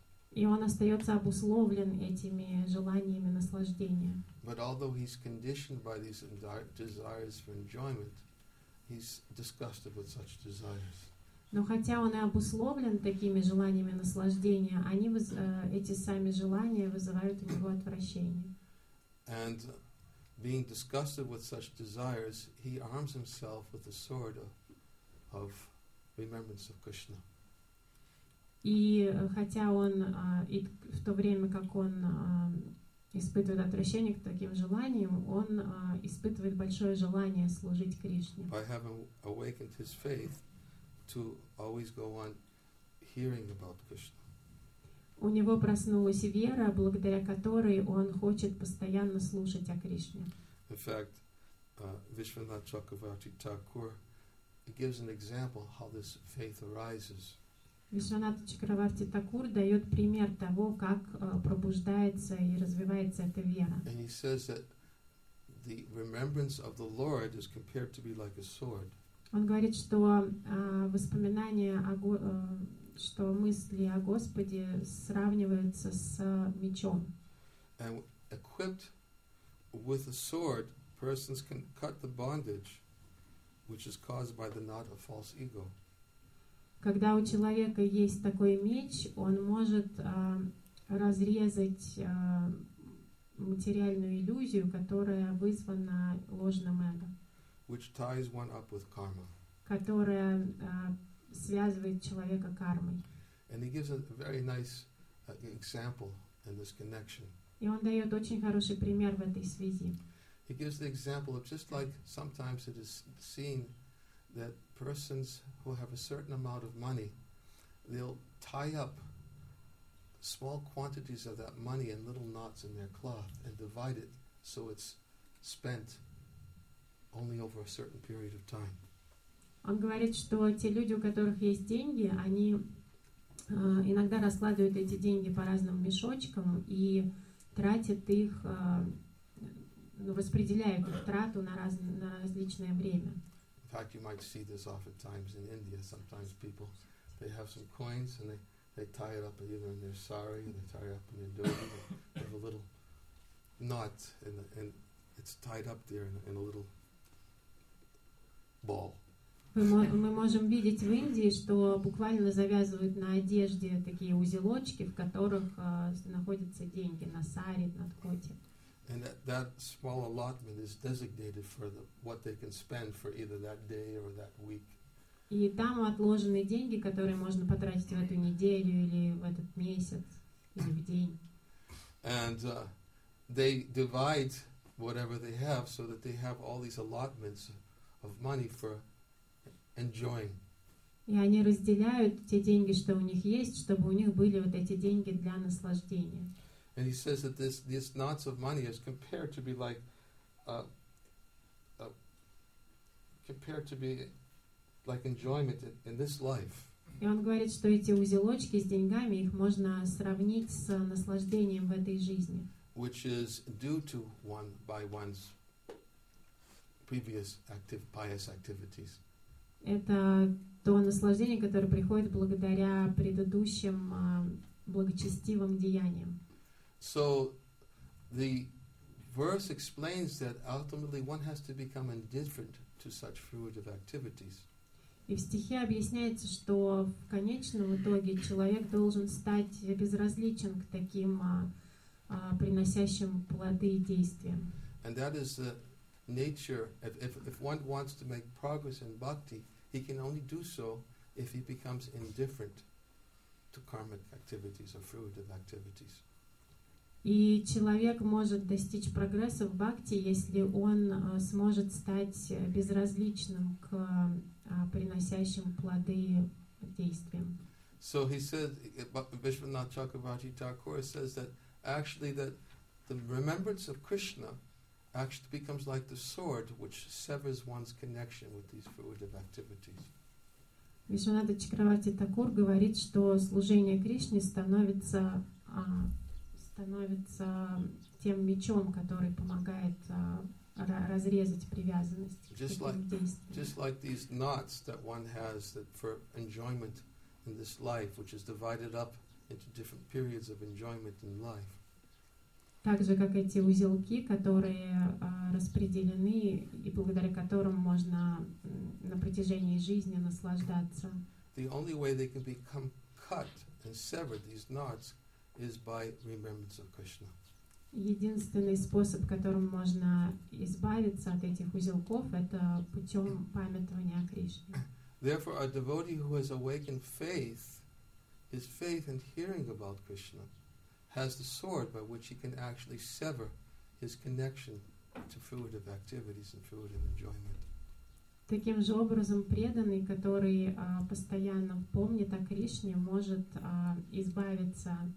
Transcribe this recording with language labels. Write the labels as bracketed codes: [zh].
[ru] И он остается обусловлен этими желаниями наслаждения. [en] But although he's conditioned by these desires for enjoyment, he's disgusted with such desires. [ru] Но хотя он и обусловлен такими желаниями наслаждения, они эти сами желания вызывают у него отвращение. [en] And being disgusted with such desires, he arms himself with the sword of remembrance of Krishna. [ru] И хотя он и в то время, как он испытывает отвращение к таким желаниям, он испытывает большое желание служить Кришне. [en] By having awakened his faith, to always go on hearing about Krishna. [ru] У него проснулась вера, благодаря которой он хочет постоянно слушать о Кришне. [en] In fact, Vishwanath Chakravarti Thakur gives an example how this faith arises. [ru] Вишванат Чакраварти Такур дает пример того, как пробуждается и развивается эта вера. [en] And he says that the remembrance of the Lord is compared to be like a sword. [ru] Он говорит, что воспоминание о что мысли о Господе сравниваются с мечом. [en] And equipped with a sword, persons can cut the bondage which is caused by the knot of false ego. [ru] Когда у человека есть такой меч, он может разрезать материальную иллюзию, которая вызвана ложным эго. [en] Which ties one up with karma. [ru] Которая связывает человека кармой. [en] And he gives a very nice example in this connection. [ru] И он дает очень хороший пример в этой связи. [en] He gives the example of just like sometimes it is seen that persons who have a certain amount of money, they'll tie up small quantities of that money in little knots in their cloth and divide it so it's spent only over a certain period of time. [ru] Он говорит, что те люди, у которых есть деньги, они иногда раскладывают эти деньги по разным мешочкам и тратят их, распределяют их трату на различное время. [en] In fact, you might see this oftentimes in India. Sometimes people, they have some coins and they tie it up either in their sari or they tie it up in their dhoti. They have a little knot and it's tied up there in a little ball. [ru] Мы можем видеть в Индии, что буквально завязывают на одежде такие узелочки, в которых находятся деньги на сари, на дхоти. [en] And that small allotment is designated for the what they can spend for either that day or that week. [ru] И там отложены деньги, которые можно потратить в эту неделю или в этот месяц или в день. [en] And they divide whatever they have so that they have all these allotments of money for enjoying. [ru] И они разделяют те деньги, что у них есть, чтобы у них были вот эти деньги для наслаждения. [en] And he says that this knots of money is compared to be like compared to be like enjoyment in this life. [ru] И он говорит, что эти узелочки с деньгами их можно сравнить с наслаждением в этой жизни. [en] Which is due to one by one's previous active pious activities. [ru] Это то наслаждение, которое приходит благодаря предыдущим благочестивым деяниям. [en] So the verse explains that ultimately one has to become indifferent to such fruitive activities. [ru] И в стихе объясняется, что в конечном итоге человек должен стать безразличен к таким приносящим плоды действиям. [en] And that is the nature. If one wants to make progress in bhakti, he can only do so if he becomes indifferent to karmic activities or fruitive activities. [ru] И человек может достичь прогресса в бхакти, если он сможет стать безразличным к приносящим плоды действиям. [en] So he says, Vishwanath Chakravarti Thakur says that actually that the remembrance of Krishna actually becomes like the sword which severs one's connection with these fruitive activities. [ru] Вишванатха Чакраварти Такур говорит, что служение Кришне становится становится тем мечом, который помогает разрезать привязанность [en] just [ru] к этим действиям. [en] Just like these knots that one has that for enjoyment in this life, which is divided up into different periods of enjoyment in life. [ru] Так же, как эти узелки, которые распределены и благодаря которым можно на протяжении жизни наслаждаться. [en] The only way they can become cut and severed, these knots, is by remembrance of Krishna. [ru] Единственный способ, которым можно избавиться от этих узелков, это путем памятования о Кришне. [en] Therefore, a devotee who has awakened faith, his faith and hearing about Krishna, has the sword by which he can actually sever his connection to fruitive activities and fruitive enjoyment. [ru] Таким же образом преданный, который постоянно помнит о Кришне, может избавиться